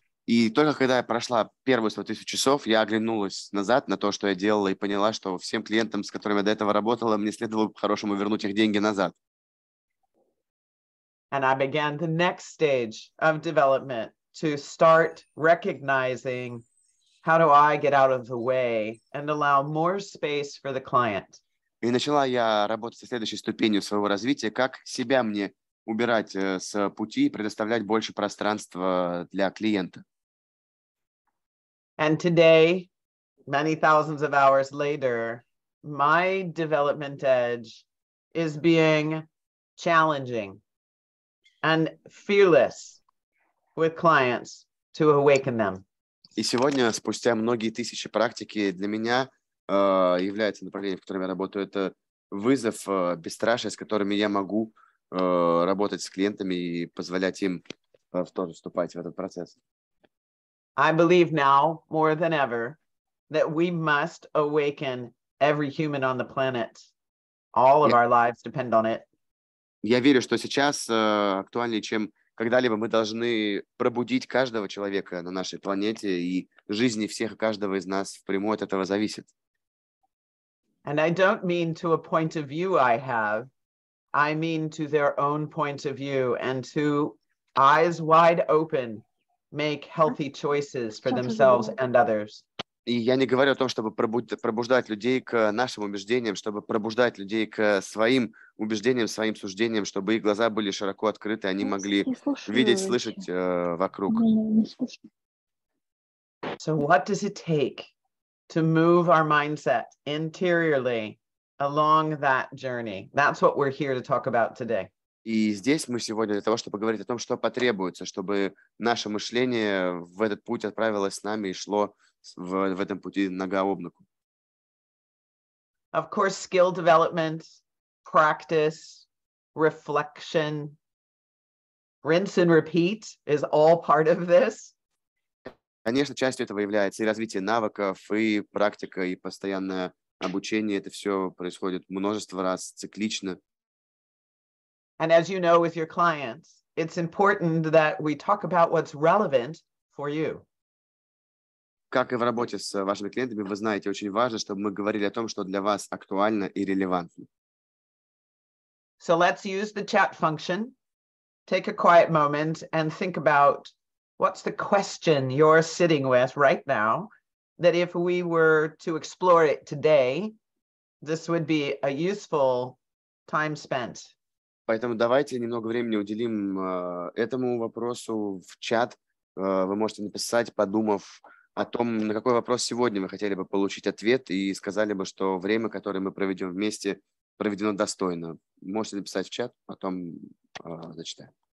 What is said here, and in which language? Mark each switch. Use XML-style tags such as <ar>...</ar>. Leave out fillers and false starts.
<ru>И только когда я прошла первые 100 тысяч часов, я оглянулась назад на то, что я делала, и поняла, что всем клиентам, с которыми я до этого работала, мне следовало по-хорошему вернуть их деньги назад.</ru> <en>And I began the next stage of development to start recognizing How do I get out of the way and allow more space for the client?</en> <ru>И начала я работать со следующей ступенью своего развития, как себя мне убирать с пути и предоставлять больше пространства для клиента.</ru> <en>And today, many thousands of hours later, my development edge is being challenging and fearless with clients to awaken them.</en> <ru>И сегодня, спустя многие тысячи практики, для меня является направление, в котором я работаю, это вызов, бесстрашие, с которыми я могу работать с клиентами и позволять им тоже вступать в этот процесс.</ru> <en>I believe now, more than ever, that we must awaken every human on the planet. All of our lives depend on it.</en> <ru>Я верю, что сейчас актуальнее, чем когда-либо, мы должны пробудить каждого человека на нашей планете, и жизни всех и каждого из нас впрямую от этого зависит.</ru> <en>And I don't mean to a point of view I have. I mean to their own point of view and to eyes wide open make healthy choices for themselves and others.</en> <ru>И я не говорю о том, чтобы пробуждать людей к нашим убеждениям, чтобы пробуждать людей к своим убеждениям, своим суждениям, чтобы их глаза были широко открыты, они могли видеть, слышать вокруг.</ru> <en>So what does it take to move our mindset interiorly along that journey? That's what we're here to talk about today.</en> <ru>И здесь мы сегодня для того, чтобы говорить о том, что потребуется, чтобы наше мышление в этот путь отправилось с нами и шло в этом пути нога об ногу.</ru> <en>Of course, skill development, practice, reflection, rinse and repeat is all part of this.</en> <ru>Конечно, частью этого является и развитие навыков, и практика, и постоянное обучение. Это все происходит множество раз, циклично.</ru> <en>And as you know with your clients, it's important that we talk about what's relevant for you.</en> <ru>Как и в работе с вашими клиентами, вы знаете, очень важно, чтобы мы говорили о том, что для вас актуально и релевантно.</ru> <en>So let's use the chat function. Take a quiet moment and think about what's the question you're sitting with right now that if we were to explore it today, this would be a useful time spent.</en> <ru>Поэтому давайте немного времени уделим этому вопросу в чат. Вы можете написать, подумав о том, на какой вопрос сегодня вы хотели бы получить ответ и сказали бы, что время, которое мы проведем вместе, проведено достойно. Можете написать в чат, потом зачитаем.</ru>